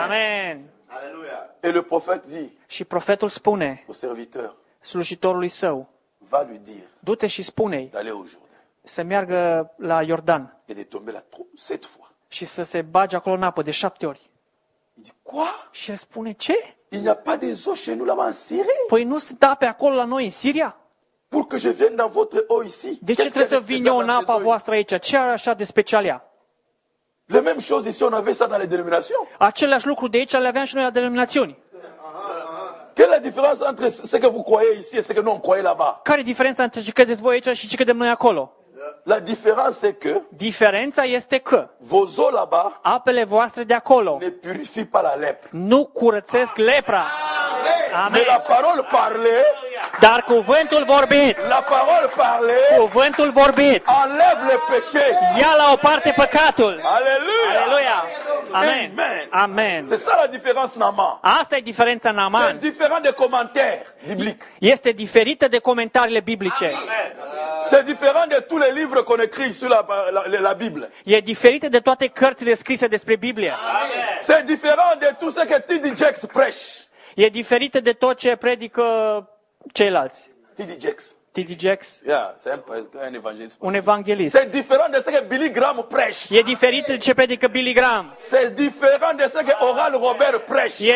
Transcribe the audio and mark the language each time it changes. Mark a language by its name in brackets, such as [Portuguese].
[French] Amen. Et le prophète dit. [Romanian] Și profetul spune. [French] Au serviteur. [Romanian] Slujitorului său. [French] Va lui dire. [Romanian] Du-te și spune-i. [French] D'aller au Jordan. [Romanian] Să meargă la Iordan. [French] Et de tomber la 7 fois. [Romanian] Și să se bage acolo în apă de 7 ori. [French] Il dit quoi? [Romanian] Și el spune ce? [French] Il n'y a pas des eaux chez nous là-bas en Syrie? [Romanian] Păi nu sunt ape acolo la noi în Siria? [French] Pour que je vienne dans votre eau ici. [Romanian] De ce trebuie să vin eu în apa voastră aici? Ce are așa de special ea? [French] La même chose ici, on avait ça dans les dénominations. [Romanian] Același lucru de aici le aveam și noi la denominațiuni. [French] Quelle est la différence entre ce que vous croyez ici et ce que nous on croyait là-bas? [Romanian] Care e diferența între ce credeți voi aici și ce credem noi acolo? [French] La différence est que [Romanian] diferența este că [French] vos eaux là-bas, [Romanian] apele voastre de acolo, [French] ne purifie pas la lepră. [Romanian] Nu curățesc lepra. [French] Amen. Mais la parole parlée, [Romanian] dar cuvântul vorbit, [French] la parole parlée, [Romanian] cuvântul vorbit, [French] enlève le péché, [Romanian] ia la o parte păcatul. Alleluia. Alleluia. Amen. Amen. Amen. [French] C'est ça la différence, Naaman. [Romanian] Asta e diferența, Naaman. [French] C'est différent de commentaires bibliques. [Romanian] Este diferită de comentariile biblice. Amen. [French] C'est différent de tous les livres qu'on écrit sur la Bible. [Romanian] E diferită de toate cărțile scrise despre Biblie. Amen. [French] C'est différent de tout ce que T.D. Jakes prêche. [Romanian] E diferită de tot ce predică ceilalți. T.D. Jakes. T.D. Jakes. Yeah, simple, un evanghelist. Un evanghelist. [French] C'est différent de ce que Billy Graham prêche. [Romanian] E diferit de ce predică Billy Graham. [French] C'est différent de ce que Oral Roberts prêche.